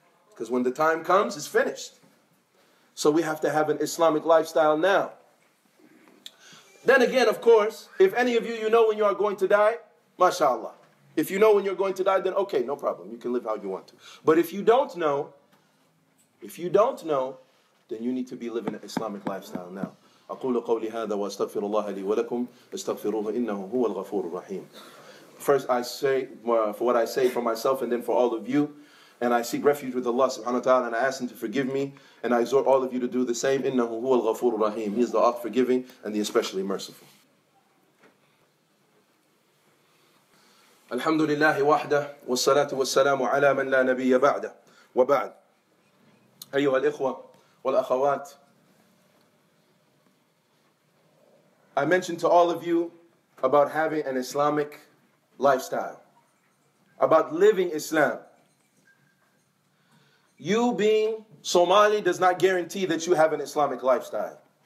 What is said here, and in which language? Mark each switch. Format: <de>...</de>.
<en>Because when the time comes, it's finished. So we have to have an Islamic lifestyle now. Then again, of course, if any of you, you know when you are going to die, mashallah. If you know when you're going to die, then okay, no problem. You can live how you want to. But if you don't know, then you need to be living an Islamic lifestyle now.</en> <ar>أقول قولي هذا وأستغفر الله لي ولكم استغفروه إنه هو الغفور الرحيم.</ar> <en>First, I say for what I say for myself and then for all of you, and I seek refuge with Allah subhanahu wa ta'ala, and I ask Him to forgive me, and I exhort all of you to do the same.</en> <ar>إنه هو الغفور الرحيم.</ar> <en>He is the oft forgiving and the especially merciful.</en> <ar>الحمد لله وحده والصلاة والسلام على من لا نبي بعده وبعد أيها الإخوة والأخوات.</ar> <en>I mentioned to all of you about having an Islamic lifestyle, about living Islam. You being Somali does not guarantee that you have an Islamic lifestyle.</en>